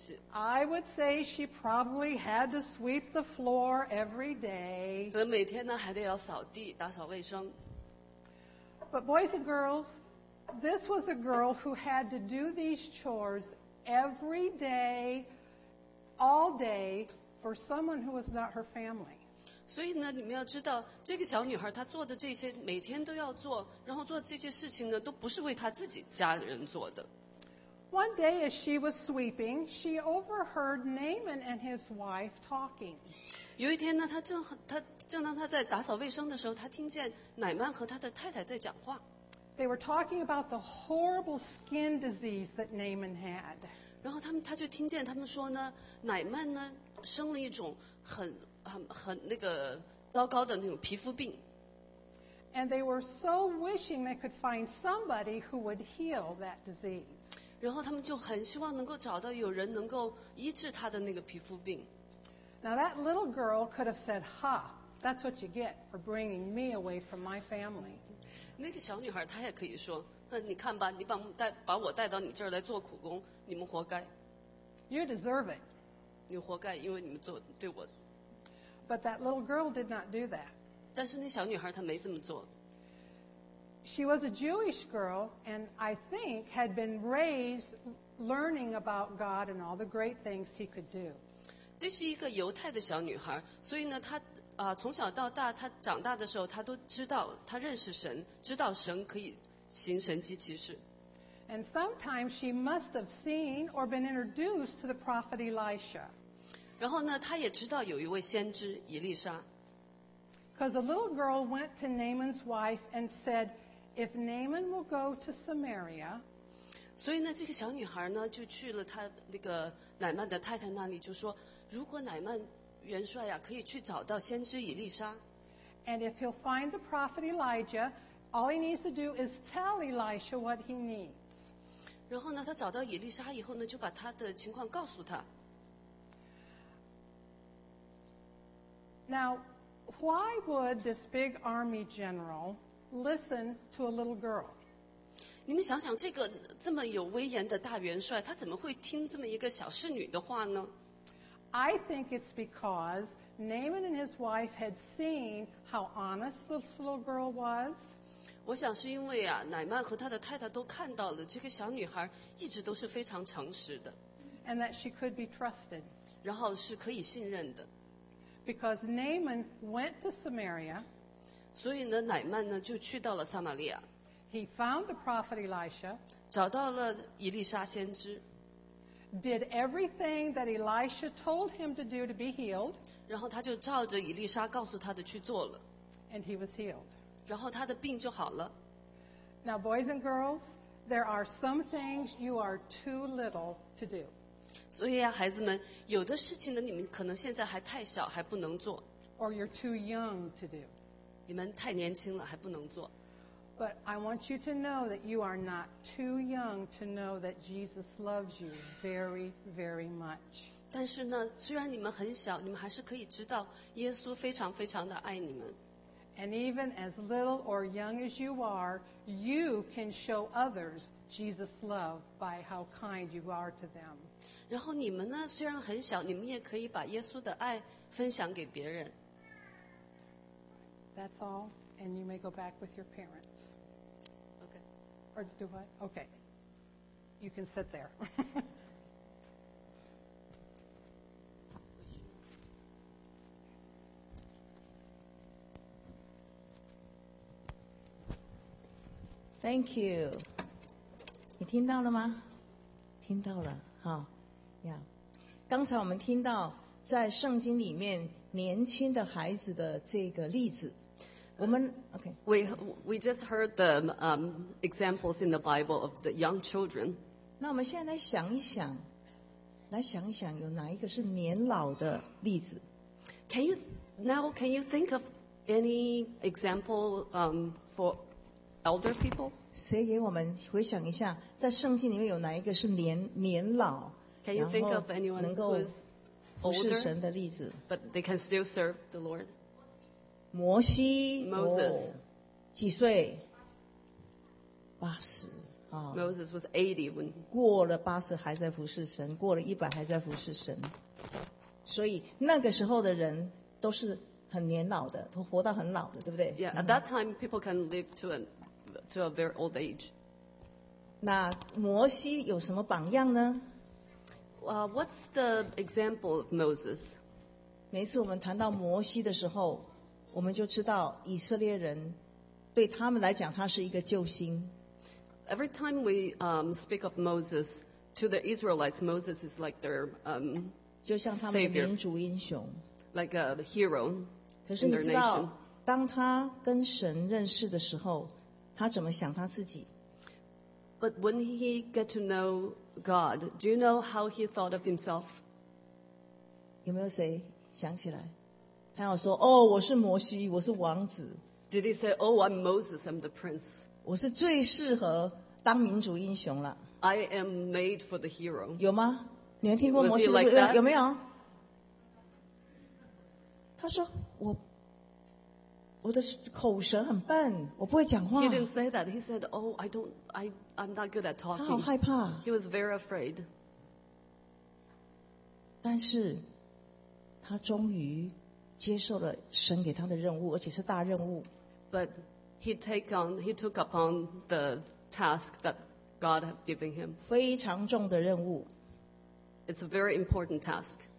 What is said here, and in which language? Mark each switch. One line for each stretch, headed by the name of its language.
English: I would say she probably had to sweep the floor every day.
Chinese: 每天呢还得要扫地，打扫卫生。
English: But boys and girls, this was a girl who had to do these chores every day, all day, for someone who was not her family.
Chinese: 所以呢，你们要知道，这个小女孩她做的这些，每天都要做，然后做这些事情呢，都不是为她自己家人做的。
English: One day as she was sweeping, she overheard Naaman and his wife talking.
Chinese: 有一天呢，她正当她在打扫卫生的时候，她听见乃曼和她的太太在讲话。
English: They were talking about the horrible skin disease that Naaman had.
Chinese: 然后她就听见他们说呢，乃曼呢生了一种很那个糟糕的那种皮肤病。
English: And they were so wishing they could find somebody who would heal that disease.
Chinese: 然后他们就很希望能够找到有人能够医治他的那个皮肤病。
English: Now that little girl could have said, "Ha, that's what you get for bringing me away from my family."
Chinese: 那个小女孩她也可以说，你看吧，你把我带到你这儿来做苦工，你们活该。
English: You deserve it.
Chinese: 你活该，因为你们做对我。
English: But that little girl did not do that.
Chinese: 但是那小女孩她没这么做。
English: She was a Jewish girl, and I think had been raised learning about God and all the great things He could do.
Chinese: 这是一个犹太的小女孩，所以呢，她从小到大，她长大的时候，她都知道，她认识神，知道神可以行神迹奇事。
English: And sometimes she must have seen or been introduced to the prophet Elisha.
Chinese: 然后呢，她也知道有一位先知以利沙。
English: Because a little girl went to Naaman's wife and said, "If Naaman will go to Samaria,"
Chinese: 所以呢，这个小女孩呢就去了她那个乃曼的太太那里，就说，如果乃曼元帅呀、啊、可以去找到先知以利沙
English: ，and if he'll find the prophet Elijah, all he needs to do is tell Elisha what he needs.
Chinese: 然后呢，他找到以利沙以后呢，就把他的情况告诉他。
English: Now. Why would this big army general listen to a little girl?
Chinese: 你们想想，这个这么有威严的大元帅，他怎么会听这么一个小侍女的话呢？
English: I think it's because Naaman and his wife had seen how honest this little girl was.
Chinese: 我想是因为啊，乃曼和他的太太都看到了这个小女孩一直都是非常诚实的。
English: And that she could be trusted.
Chinese: 然后是可以信任的。
English: Because Naaman went to Samaria,
Chinese: 所以呢，乃曼呢就去到了撒玛利亚。
English: He found the prophet Elisha,
Chinese: 找到了以利沙先知。
English: Did everything that Elisha told him to do to be healed.
Chinese: 然后他就照着以利沙告诉他的去做了。
English: And he was healed.
Chinese: 然后他的病就好了。
English: Now, boys and girls, there are some things you are too little to do.
Chinese: 所以啊，孩子们，有的事情呢，你们可能现在还太小，还不能做。
English: Or you're too young to do.
Chinese: 你们太年轻了，还不能做。
English: But I want you to know that you are not too young to know that Jesus loves you very, very much.
Chinese: 但是呢，虽然你们很小，你们还是可以知道耶稣非常非常的爱你们。
English: And even as little or young as you are, you can show others Jesus' love by how kind you are to them.
Chinese: 然后你们呢，虽然很小，你们也可以把耶稣的爱分享给别人。
English: That's all, and you may go back with your parents. Okay. Or do what? Okay. You can sit there. Thank you.
Chinese: 你听到了吗？听到了，好呀。刚才我们听到在圣经里面年轻的孩子的这个例子，我们 OK.
English: We just heard the examples in the Bible of the young children.
Chinese: 那我们现在来想一想，来想一想，有哪一个是年老的例子
English: ？Can you think of any example for elder people?
Chinese: 谁给我们回想一下，在圣经里面有哪一个是年老，
English: can you think of anyone
Chinese: 然后能够服侍神的例子？
English: But they can still serve the Lord.
Chinese: 摩西
English: Moses、
Chinese: 哦、几岁？八十、哦、
English: Moses was 80 when
Chinese: 过了八十还在服侍神，过了一百还在服侍神。所以那个时候的人都是很年老的，都活到很老的，对不对？
English: Yeah, at that time, people can live to anto a very old age.
Chinese: 那摩西有什么榜样呢？
English: What's the example of Moses?
Chinese: 每次我们谈到摩西的时候，我们就知道以色列人对他们来讲，他是一个救星。
English: Every time we speak of Moses to the Israelites, Moses is like their savior.
Chinese: 就像他们的民族英雄。
English: Like a hero in their
Chinese: 可是你知道，当他跟神认识的时候，他怎么想他自己？
English: But when he get to know God, do you know how he thought of himself?
Chinese: 有没有谁想起来？他要说：“哦，我是摩西，我是王子。”
English: Did he say, "Oh, I'm Moses, I'm the prince"?
Chinese: 我是最适合当民族英雄了。
English: I am made for the hero.
Chinese: 有吗？你们听过摩西的、like、有没有？他说：“我的口舌很笨，我不会讲话。”
English: He didn't say that. He said, "Oh, I don't, I'm not good at talking."
Chinese: 他好害怕。
English: He was very afraid.
Chinese: 但是，他终于接受了神给他的任务，而且是大任务。
English: But he took upon the task that God had given him.
Chinese: 非常重的任务。
English: It's a very important task.